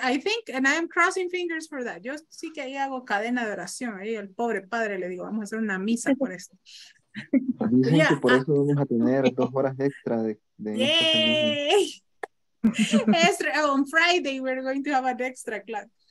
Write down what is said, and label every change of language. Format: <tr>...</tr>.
<en>I think, and I am crossing fingers for that.</en> <es>Yo sí que ahí hago cadena de oración. Ahí el pobre padre le digo, vamos a hacer una misa por esto. Dicen yeah. Que por eso vamos a tener 2 horas extra de yay.</es> <en>Extra, on Friday we're going to have an extra class.</en>